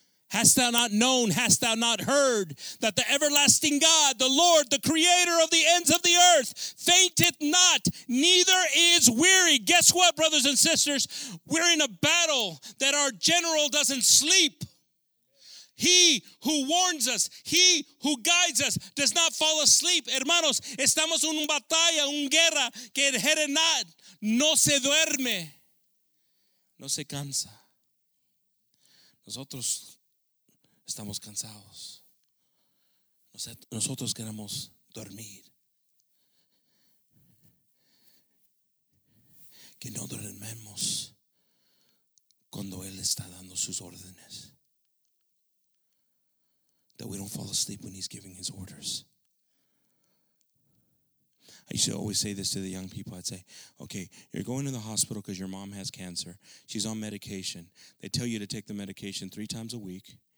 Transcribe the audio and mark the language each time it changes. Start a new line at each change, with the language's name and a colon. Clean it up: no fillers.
English: Hast thou not known, hast thou not heard, that the everlasting God, the Lord, the creator of the ends of the earth, fainteth not, neither is weary. Guess what, brothers and sisters? We're in a battle that our general doesn't sleep. He who warns us, he who guides us, does not fall asleep.
Spanish: Hermanos, estamos en una batalla, una guerra, que el general no se duerme, no se cansa. Nosotros estamos cansados. Nosotros queremos dormir. Que no dormemos cuando Él está dando sus órdenes.
English: That we don't fall asleep when he's giving his orders. I used to always say this to the young people. I'd say, okay, you're going to the hospital because your mom has cancer. She's on medication. They tell you to take the medication 3 times a week.